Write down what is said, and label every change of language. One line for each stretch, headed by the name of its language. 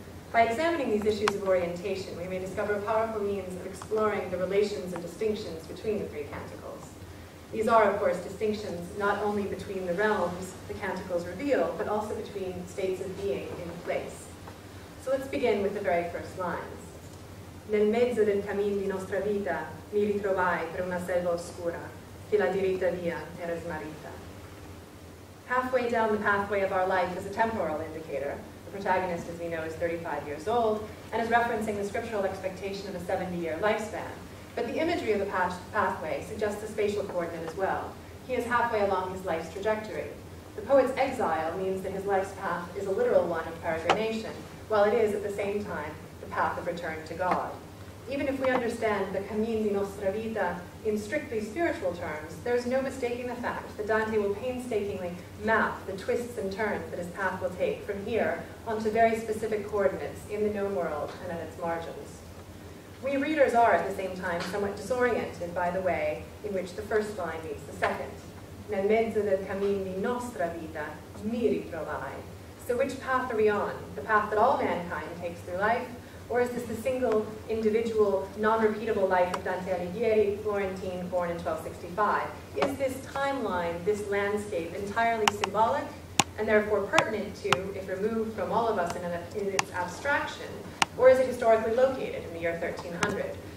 English: By examining these issues of orientation, we may discover powerful means of exploring the relations and distinctions between the three canticles. These are, of course, distinctions not only between the realms the canticles reveal, but also between states of being in place. So let's begin with the very first lines.
Italian: Nel mezzo del cammin di nostra vita mi ritrovai per una selva oscura che la diritta via era smarrita.
English: Halfway down the pathway of our life is a temporal indicator. Protagonist, as we know, is 35 years old and is referencing the scriptural expectation of a 70-year lifespan. But the imagery of the pathway suggests a spatial coordinate as well. He is halfway along his life's trajectory. The poet's exile means that his life's path is a literal one of peregrination, while it is, at the same time, the path of return to God. Even if we understand the
Italian: cammin di nostra vita
English: in strictly spiritual terms, there's no mistaking the fact that Dante will painstakingly map the twists and turns that his path will take from here onto very specific coordinates in the known world and at its margins. We readers are, at the same time, somewhat disoriented by the way in which the first line meets the second.
Italian: Nel mezzo del cammin di nostra vita mi ritrovai.
English: So which path are we on? The path that all mankind takes through life? Or is this the single, individual, non-repeatable life of Dante Alighieri, Florentine, born in 1265? Is this timeline, this landscape, entirely symbolic and therefore pertinent to, if removed from all of us in its abstraction, or is it historically located in the year 1300?